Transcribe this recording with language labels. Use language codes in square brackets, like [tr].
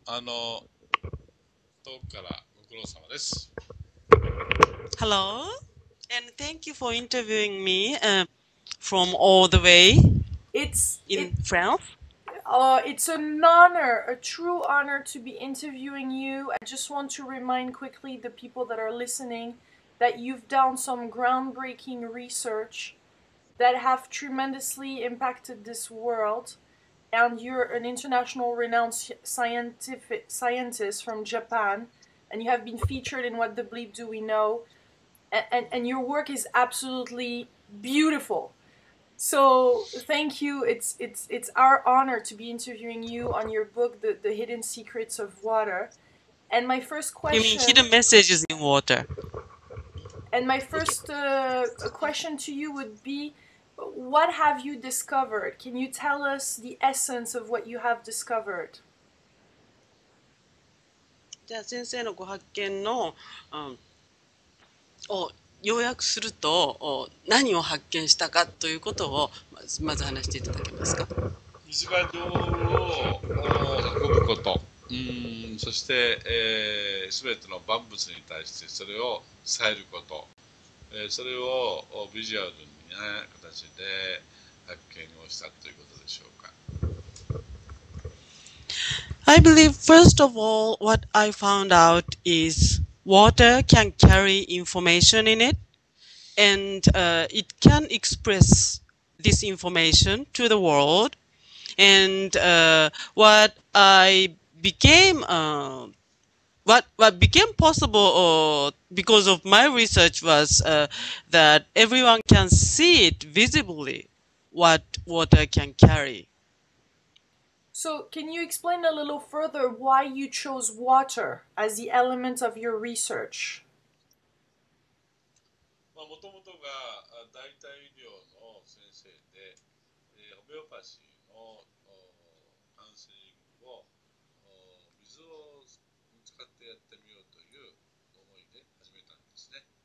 [ja] 遠くからご苦労様です。 [en] Hello, and thank you for interviewing me from all the way in France. It's an honor, a true honor to be interviewing you. I just want to remind quickly the people that are listening that you've done some groundbreaking research that have tremendously impacted this world, and you're an international renowned scientist from Japan, and you have been featured in What the Bleep Do We Know, and your work is absolutely beautiful. So thank you. It's our honor to be interviewing you on your book, The Hidden Secrets of Water. And my first You mean question hidden messages in water? and my first question to you would be, what have you discovered? Can you tell us the essence of what you have discovered? [ja] じゃあ先生のご発見の、を要約すると、何を発見したかということをまず話していただけますか？水が道を運ぶこと。そして、すべての万物に対してそれを伝えること、それをビジュアルな形で発見をしたということでしょうか。 [en] I believe, first of all, what I found out is water can carry information in it, and it can express this information to the world. And what I became, what became possible because of my research was that everyone can see it visibly, what water can carry. So, can you explain a little further why you chose water as the element of your research? [ja] もともとが代替医療の先生で、ホメオパシーのカウンセリングを水を使ってやってみようという思いで始めたんですね。